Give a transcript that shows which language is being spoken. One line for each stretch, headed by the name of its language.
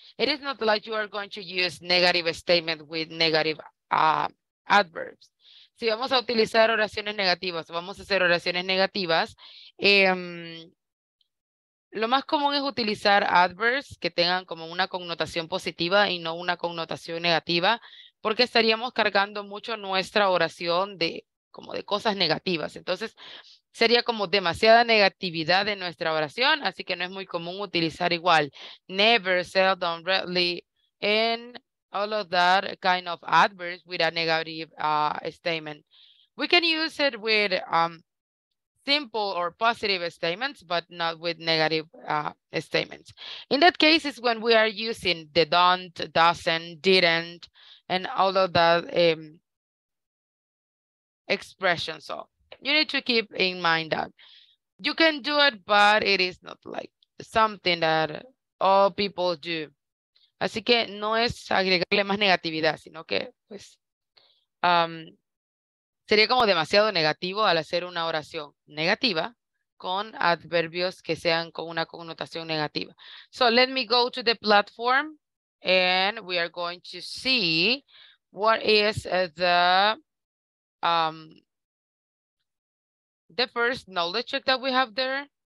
English: It is not like you are going to use negative statement with negative adverbs.
Spanish: Si vamos a utilizar oraciones negativas, vamos a hacer oraciones negativas, lo más común es utilizar adverbs que tengan como una connotación positiva y no una connotación negativa, porque estaríamos cargando mucho nuestra oración de como de cosas negativas. Entonces, sería como demasiada negatividad en nuestra oración, así que no es muy común utilizar igual
English: never, seldom, rarely, and all of that kind of adverbs with a negative statement. We can use it with simple or positive statements, but not with negative statements. In that case, it's when we are using the don't, doesn't, didn't, and all of that expression. So you need to keep in mind that you can do it, but it is not like something that all people do.
Spanish: Así que no es agregarle más negatividad, sino que pues sería como demasiado negativo al hacer una oración negativa con adverbios que sean con una connotación negativa.
English: So let me go to the platform and we are going to see what is the first knowledge check that we have there.